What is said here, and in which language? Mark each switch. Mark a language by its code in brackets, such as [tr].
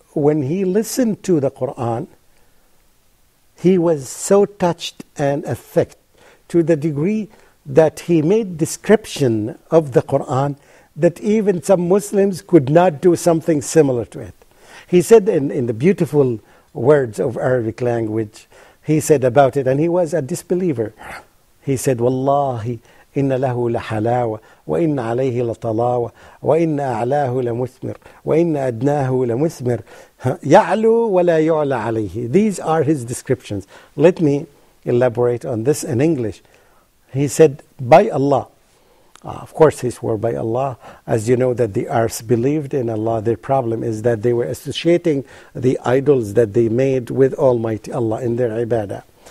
[en] when he listened to the Quran, he was so touched and affected to the degree that he made description of the Quran that even some Muslims could not do something similar to it. He said in the beautiful words of Arabic language, he said about it, and he was a disbeliever. He said, [ar] Wallahi, إِنَّ لَهُ لَحَلَاوَ وَإِنَّ عَلَيْهِ لَطَلَاوَ وَإِنَّ أَعْلَاهُ لَمُثْمِرْ وَإِنَّ أَدْنَاهُ لَمُثْمِرْ يَعْلُو وَلَا يُعْلَى عَلَيْهِ. [en] These are his descriptions. Let me elaborate on this in English. He said, by Allah. Of course, he swore by Allah. As you know, that the Arabs believed in Allah, their problem is that they were associating the idols that they made with Almighty Allah in their ibadah.